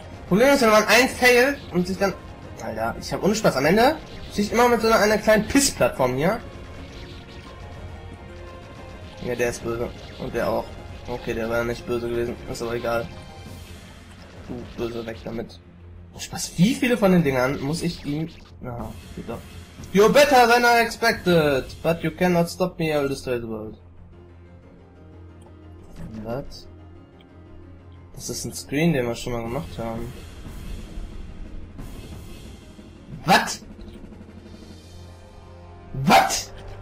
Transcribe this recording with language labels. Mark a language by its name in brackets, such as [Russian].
[German] Problem ist, wenn man einen Fail und sich dann... Alter, ich hab ohne Spaß am Ende. Ich stehe immer mit so einer kleinen Piss-Plattform hier. Ja, der ist böse. Und der auch. Okay, der war nicht böse gewesen. Ist aber egal. Du, böse, weg damit. Oh Spaß, wie viele von den Dingern muss ich ihm... Na, geht doch. [English] You're better than I expected, but you cannot stop me, I'll destroy the world. What? [German] Das ist ein Screen, den wir schon mal gemacht haben. [English] What? What?